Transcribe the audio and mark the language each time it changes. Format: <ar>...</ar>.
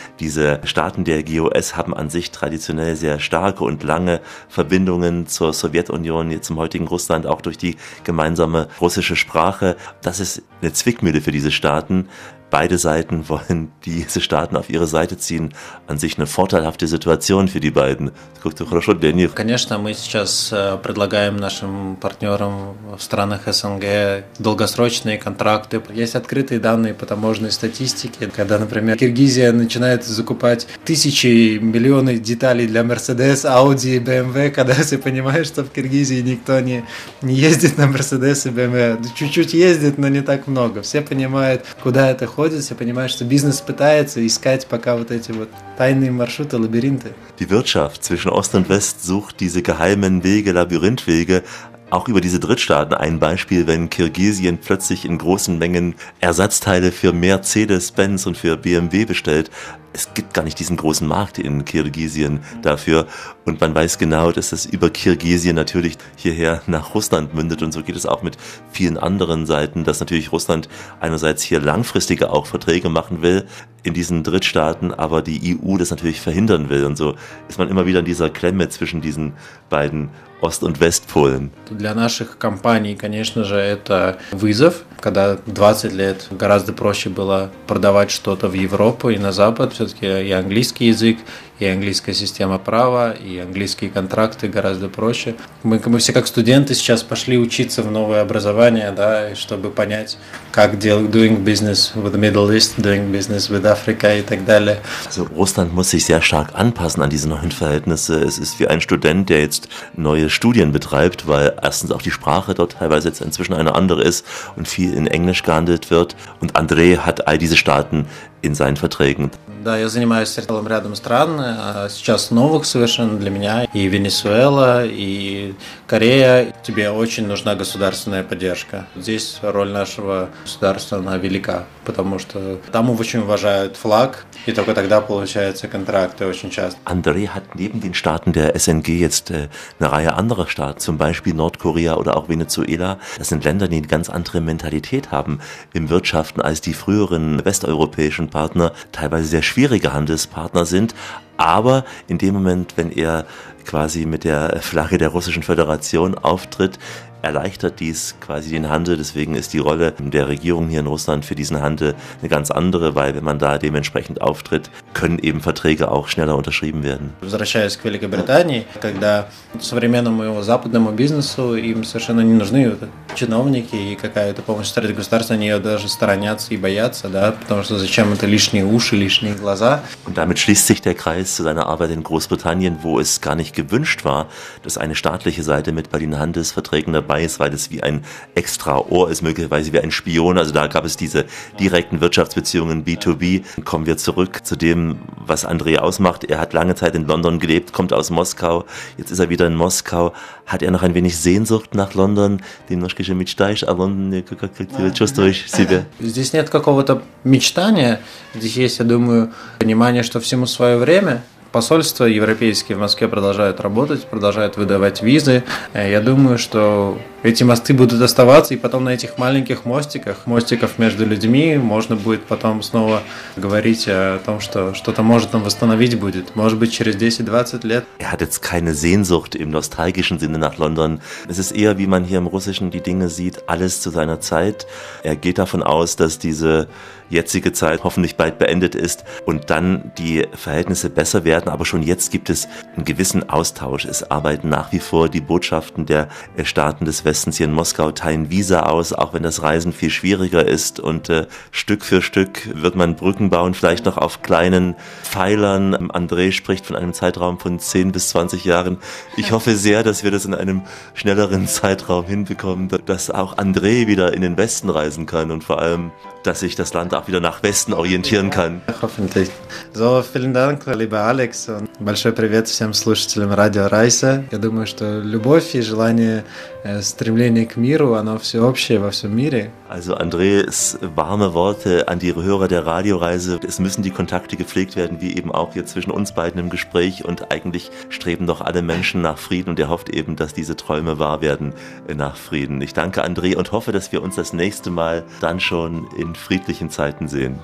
<de>Diese Staaten der GOS haben an sich traditionell sehr starke und lange Verbindungen zur Sowjetunion, jetzt zum heutigen Russland, auch durch die gemeinsame russische Sprache. Das ist eine Zwickmühle für diese Staaten. Beide Seiten wollen diese Staaten auf ihre Seite ziehen. An sich eine vorteilhafte Situation für die beiden. Guckst du</de> <ru>хорошо,</ru> <de>Daniel?</de> <ru>Конечно, мы сейчас предлагаем нашим партнерам в странах СНГ долгосрочные контракты. Есть открытые данные по таможенной статистике, когда, например, Киргизия начинает закупать тысячи, миллионы деталей для Mercedes, Audi, BMW, когда ты понимаешь, что в Киргизии никто не ездит на Mercedes и BMW. Чуть-чуть ездит, но не так много. Все понимают, куда это ходит, все понимают, что бизнес пытается искать пока вот эти вот тайные маршруты, лабиринты.</ru> <de>Die Wirtschaft zwischen Ost und West sucht diese geheimen Wege, Labyrinthwege, auch über diese Drittstaaten. Ein Beispiel, wenn Kirgisien plötzlich in großen Mengen Ersatzteile für Mercedes-Benz und für BMW bestellt. Es gibt gar nicht diesen großen Markt in Kirgisien dafür. Und man weiß genau, dass das über Kirgisien natürlich hierher nach Russland mündet. Und so geht es auch mit vielen anderen Seiten, dass natürlich Russland einerseits hier langfristige auch Verträge machen will in diesen Drittstaaten, aber die EU das natürlich verhindern will. Und so ist man immer wieder in dieser Klemme zwischen diesen beiden Ost- und Westpolen.</de> <ru>Для наших компаний, конечно же, это вызов, когда 20 лет гораздо проще было продавать что-то в Европу и на Запад, все-таки и английский язык, и английская система права, и английские контракты гораздо проще. Мы все как студенты сейчас пошли учиться в новое образование, да, чтобы понять, как</ru> <en>doing business with the Middle East, doing business with Africa</en> <ru>и так далее.</ru> <de>Also, Russland muss sich sehr stark anpassen an diese neuen Verhältnisse. Es ist wie ein Student, der jetzt neue Studien betreibt, weil erstens auch die Sprache dort teilweise jetzt inzwischen eine andere ist und viel in Englisch gehandelt wird. Und Andrei hat all diese Staaten in seinen Verträgen.</de> <ru>Да, я занимаюсь сериалом рядом стран, сейчас новых совершенно для меня, и Венесуэла, и Корея. Тебе очень нужна государственная поддержка. Здесь роль нашего государства, она велика, потому что там очень уважают флаг, и только тогда получаются контракты очень часто.</ru> <de>Андрей hat neben den Staaten der СНГ jetzt eine Reihe anderer Staaten, zum Beispiel Nordkorea oder auch Venezuela. Das sind Länder, die eine ganz andere Mentalität haben im Wirtschaften als die früheren westeuropäischen Partner, teilweise sehr schwierige Handelspartner sind, aber in dem Moment, wenn er quasi mit der Flagge der Russischen Föderation auftritt, erleichtert dies quasi den Handel. Deswegen ist die Rolle der Regierung hier in Russland für diesen Handel eine ganz andere, weil wenn man da dementsprechend auftritt, können eben Verträge auch schneller unterschrieben werden.</de> <ru>Возвращаясь к Великобритании, когда современному западному бизнесу им совершенно не нужны чиновники и какая-то помощь со стороны государства, они ее даже сторонятся и боятся, да, потому что зачем это лишние уши, лишние глаза.</ru> <de>Und damit schließt sich der Kreis zu seiner Arbeit in Großbritannien, wo es gar nicht gewünscht war, dass eine staatliche Seite mit bei den Handelsverträgen dabei ist, weil es wie ein extra Ohr ist, möglicherweise wie ein Spion. Also da gab es diese direkten Wirtschaftsbeziehungen B2B. Kommen wir zurück zu dem, was André ausmacht. Er hat lange Zeit in London gelebt, kommt aus Moskau. Jetzt ist er wieder in Moskau. Hat er noch ein wenig Sehnsucht nach London?</de> <ru>Немножко же мечтаешь о Лондоне? Как ты чувствуешь себя? Здесь нет какого-то мечтания. Здесь есть, я думаю, понимание, что всему свое время. Посольства европейские в Москве продолжают работать, продолжают выдавать визы. Я думаю, что эти мосты будут оставаться, и потом на этих маленьких мостиках, мостиков между людьми, можно будет потом снова говорить о том, что что-то может там восстановить будет. Может быть, через 10-20 лет.</ru> <de>Er hat jetzt keine Sehnsucht im nostalgischen Sinne nach London. Es ist eher, wie man hier im Russischen die Dinge sieht, alles zu seiner Zeit. Er geht davon aus, dass diese jetzige Zeit hoffentlich bald beendet ist und dann die Verhältnisse besser werden. Aber schon jetzt gibt es einen gewissen Austausch. Es arbeiten nach wie vor die Botschaften der Staaten des Westens hier in Moskau, teilen Visa aus, auch wenn das Reisen viel schwieriger ist. Und Stück für Stück wird man Brücken bauen, vielleicht noch auf kleinen Pfeilern. André spricht von einem Zeitraum von 10 bis 20 Jahren. Ich hoffe sehr, dass wir das in einem schnelleren Zeitraum hinbekommen, dass auch André wieder in den Westen reisen kann und vor allem, dass sich das Land auch wieder nach Westen orientieren kann. Ja, hoffentlich. So, vielen Dank, lieber Alex. Und</de> <ru>большой привет всем слушателям Radio Reise. Я думаю, что любовь и желание, стремление к миру, оно всеобщее во всем мире.</ru> <de>Also Andres warme Worte an die Hörer der Radioreise. Es müssen die Kontakte gepflegt werden, wie eben auch jetzt zwischen uns beiden im Gespräch. Und eigentlich streben doch alle Menschen nach Frieden. Und er hofft eben, dass diese Träume wahr werden nach Frieden. Ich danke André und hoffe, dass wir uns das nächste Mal dann schon in friedlichen Zeiten sehen.</de>